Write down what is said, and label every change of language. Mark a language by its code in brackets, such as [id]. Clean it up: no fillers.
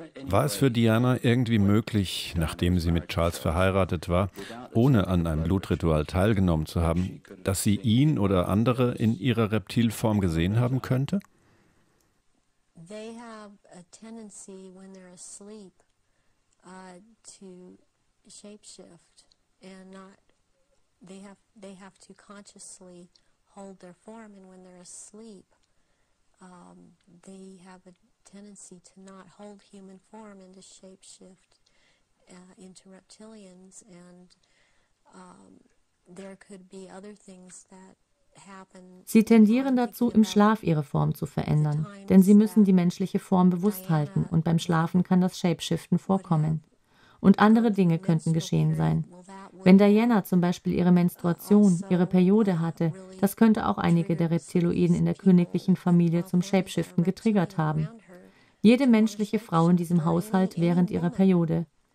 [de] War es für Diana irgendwie möglich, nachdem sie mit Charles verheiratet war, ohne an einem Blutritual teilgenommen zu haben, dass sie ihn oder andere in ihrer Reptilform gesehen haben könnte? [en] They have a tendency when they're asleep to shapeshift and not they have to consciously hold their form, and when they're asleep, they have a tendency to not hold human form and to shapeshift into reptilians. And there could be other things that happen. [de] Sie tendieren dazu, im Schlaf ihre Form zu verändern, denn sie müssen die menschliche Form bewusst halten, und beim Schlafen kann das Shapeshiften vorkommen. Und andere Dinge könnten geschehen sein. Wenn Diana zum Beispiel ihre Menstruation, ihre Periode hatte, das könnte auch einige der Reptiloiden in der königlichen Familie zum Shapeshiften getriggert haben. Jede menschliche Frau in diesem Haushalt während ihrer Periode.